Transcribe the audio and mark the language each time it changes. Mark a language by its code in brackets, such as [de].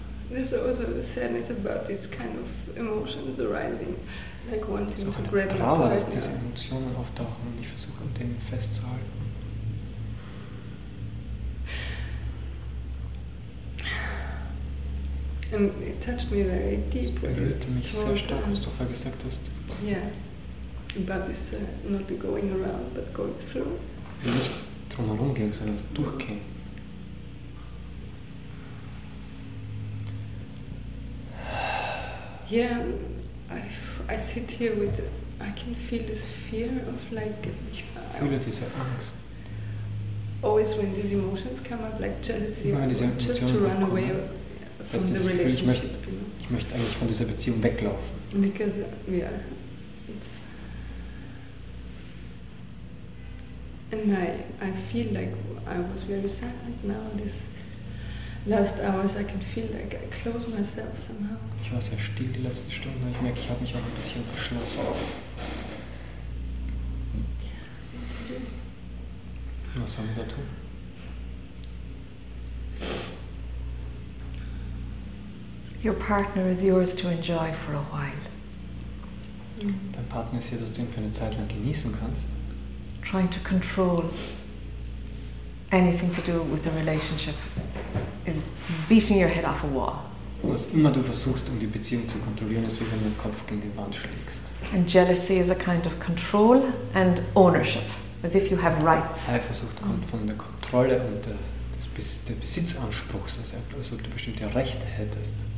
[en] There's also the sadness about this kind of emotions arising, like wanting to grab my partner. [de] Trauer, dass diese Emotionen auftauchen und ich versuche, an denen festzuhalten. [en] And it touched me very deep. [de] Es berührte mich sehr stark, was du vorher gesagt hast. [en] Yeah, about this not going around, but going through. [de] Nicht drumherum gehen, sondern durchgehen. [en] Yeah, I sit here with. I can feel this fear of like. [de] Ich fühle diese Angst. [en] Always when these emotions come up, like jealousy, just to run [de] bekommen. [en] Away. [de] Das ist dieses Gefühl, ich möchte eigentlich von dieser Beziehung weglaufen. [en] Because, yeah, and I feel like I was very silent now. These last hours, I can feel like I close myself somehow. [de] Ich war sehr still die letzten Stunden. Ich merke, ich habe mich auch ein bisschen verschlossen. Was sollen wir da tun? [en] Your partner is yours to enjoy for a while. [de] Dein Partner ist hier, dass du ihn für eine Zeit lang genießen kannst. [en] Trying to control anything to do with the relationship is beating your head off a wall. [de] Was immer du versuchst, um die Beziehung zu kontrollieren, ist wie wenn du den Kopf gegen die Wand schlägst. [en] And jealousy is a kind of control and ownership, as if you have rights. [de] Eifersucht kommt von der Kontrolle und der Besitzanspruchs, als ob du bestimmte Rechte hättest.